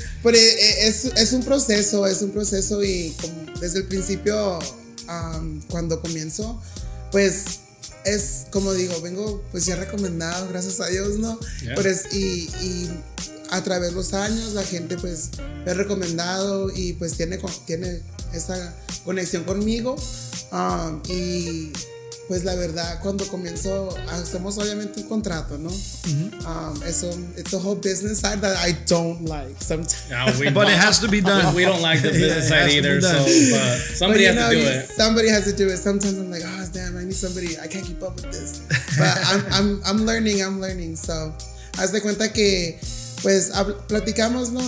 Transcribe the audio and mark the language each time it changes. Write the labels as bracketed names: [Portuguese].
[Spanish] Pero es un proceso, es un proceso. Y como desde el principio, cuando comienzo, pues es como digo, vengo pues ya recomendado, gracias a Dios, ¿no? Yeah. Pero es, y a través de los años la gente pues me ha recomendado y pues tiene esa conexión conmigo. Y pues la verdad, cuando comienzo, hacemos obviamente un contrato, ¿no? Mm-hmm. [English] It's a whole business side that I don't like sometimes. No, but it has to be done. We don't like the business side either, so somebody has to do it. Somebody has to do it. Sometimes I'm like, oh, damn, I need somebody. I can't keep up with this. But I'm learning. [Spanish] So, haz de cuenta que, pues, platicamos, ¿no?